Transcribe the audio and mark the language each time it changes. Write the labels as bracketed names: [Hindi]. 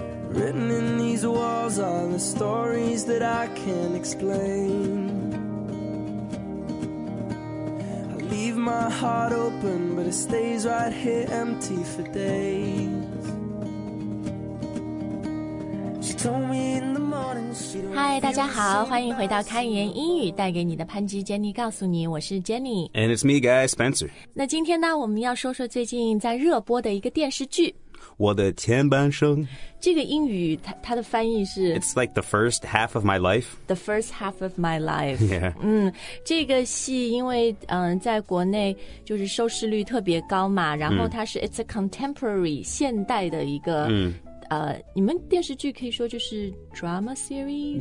[English] Written in these walls are the stories that I can't explain. I leave my heart open, but it stays right here empty for days. She told me in the morning she don't. Hi, [Chinese] 大家好，欢迎回到开言英语，带给你的潘吉 Jenny 告诉你，我是 Jenny. [English] And it's me, guy, Spencer. [Chinese] 那今天呢，我们要说说最近在热播的一个电视剧。我的前半生，这个英语 它的翻译是 [English] It's like the first half of my life. The first half of my life. Yeah. [Chinese] 这个戏因为在国内就是收视率特别高嘛，然后它是 [English] It's a contemporary [Chinese] 现代的一个你们电视剧可以说就是 [English] drama series?